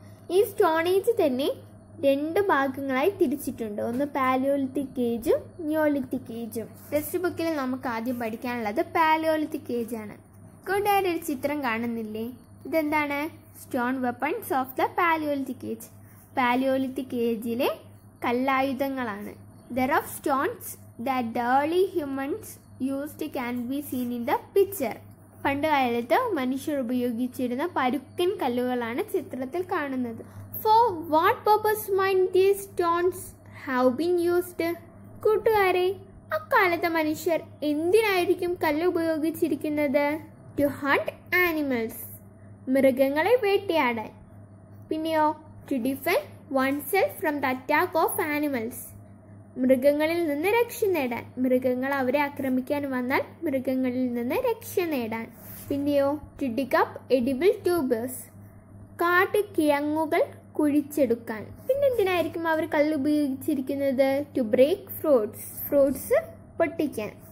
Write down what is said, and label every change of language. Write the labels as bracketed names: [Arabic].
[Malayalam] ഈ stone age തന്നെ രണ്ട് ഭാഗങ്ങളായി തിരിച്ചിട്ടുണ്ട്. ഒന്ന് പാലിയോളിത്തിക് ഏജും നിയോളിത്തിക് ഏജും. ടെക്സ്റ്റ് ബുക്കിൽ നമുക്ക് ആദ്യം പഠിക്കാനുള്ളത് പാലിയോളിത്തിക് ഏജ് ആണ്. കൂട്ടുകാരൊരു ചിത്രം കാണുന്നില്ലേ? ഇതെന്താണ്? [English] Stone weapons of the palaeolithic age. [Malayalam] Palaeolithic ഏജിലെ കല്ലായുധങ്ങളാണ്. [English] There are stones that the early humans used can be seen in the picture. [Malayalam] പണ്ട് കാലത്ത് മനുഷ്യർ ഉപയോഗിച്ചിരുന്ന പരുക്കൻ കല്ലുകളാണ് ചിത്രത്തിൽ കാണുന്നത്. [English] For what purpose might these stones have been used? [Malayalam] കൂട്ടുകാരെ, അക്കാലത്തെ മനുഷ്യർ എന്തിനായിരിക്കും കല്ല് ഉപയോഗിച്ചിരിക്കുന്നത്? [English] To hunt animals, [Malayalam] മൃഗങ്ങളെ വേട്ടയാടാൻ. പിന്നെയോ? [English] To defend oneself from the attack of animals, [Malayalam] മൃഗങ്ങളിൽ നിന്ന് രക്ഷ നേടാൻ. മൃഗങ്ങൾ അവരെ ആക്രമിക്കാൻ വന്നാൽ മൃഗങ്ങളിൽ നിന്ന് രക്ഷ നേടാൻ. പിന്നെയോ? [English] to dig up edible tubers, [Malayalam] കാട്ടു കിഴങ്ങുകൾ കുഴിച്ചെടുക്കാൻ. പിന്നെന്തിനായിരിക്കും അവർ കല്ല് ഉപയോഗിച്ചിരിക്കുന്നത്? [English] to break fruits, [Malayalam] ഫ്രൂട്ട്സ് പൊട്ടിക്കാൻ.